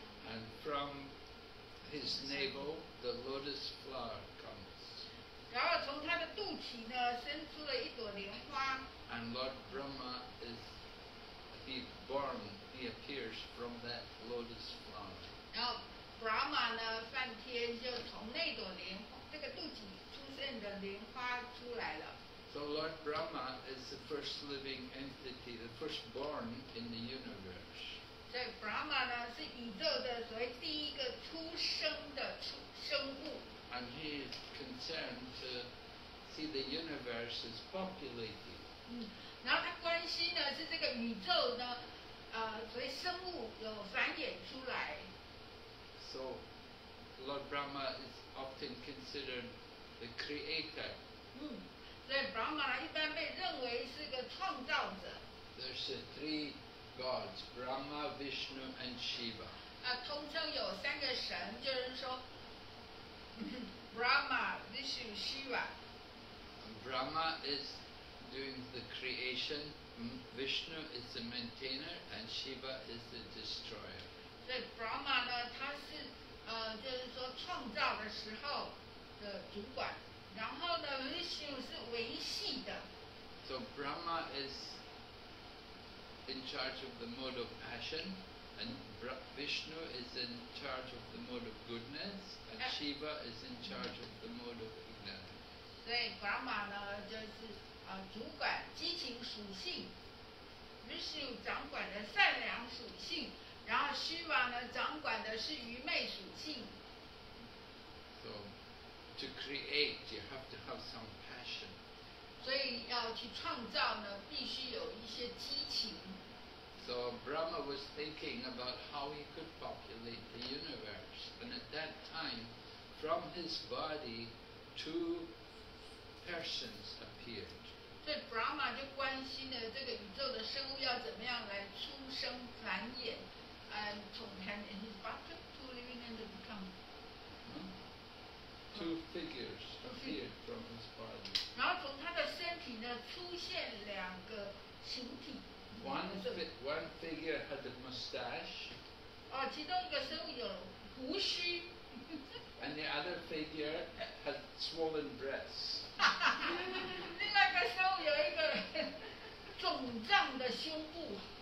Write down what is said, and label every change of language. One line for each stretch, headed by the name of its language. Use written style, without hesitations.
English: And from his navel, the lotus flower comes.
Chinese: 然后从他的肚脐呢，生出了一朵莲花。
English: And Lord Brahma is born. He appears from that lotus flower.
Chinese: 然后 Brahma 呢，梵天就从那朵莲，这个肚脐出生的莲花出来了。
English: So Lord Brahma is the first living entity, the first born in the universe.
Chinese: 这 Brahma 呢，是宇宙的所谓第一个出生的生物。
English: And he is concerned to see the universe is populated.
Chinese: 然后他关心的是这个宇宙呢。所以生物有繁衍出来。
English: So Lord Brahma is often considered the creator.
Chinese: 所以 Brahma 一般被认为是个创造者。
English: There's three gods, Brahma, Vishnu and Shiva.
Chinese: 通称有三个神，就是说 Brahma, Vishnu, Shiva.
English: Brahma is doing the creation. Vishnu is the maintainer and Shiva is the destroyer.
Chinese: So Brahma 呢，他是就是说创造的时候的主管，然后呢 Vishnu 是维系的。
English: So Brahma is in charge of the mode of passion, and Vishnu is in charge of the mode of goodness, and Shiva is in charge of the mode of ignorance.
Chinese: 所以 Brahma 呢，就是主管激情属性。 Vishnu掌管的善良属性，然后 Shiva 呢掌管的是愚昧属性。So
English: to create, you have to have some passion.
Chinese: 所以要去创造呢，必须有一些激情。So
English: Brahma was thinking about how he could populate the universe, and at that time, from his body, two persons appeared.
Chinese: 所以 Brahma 就关心了这个宇宙的生物要怎么样来出生繁衍，
English: and his bottom two living and become two figures appeared from his body.
Chinese: 然后从他的身体呢出现两个形体。
English: One figure had a mustache.
Chinese: 哦，其中一个生物有胡须。
English: And the other figure had swollen breasts.
Chinese: 另外一个生物有一个肿胀的胸部。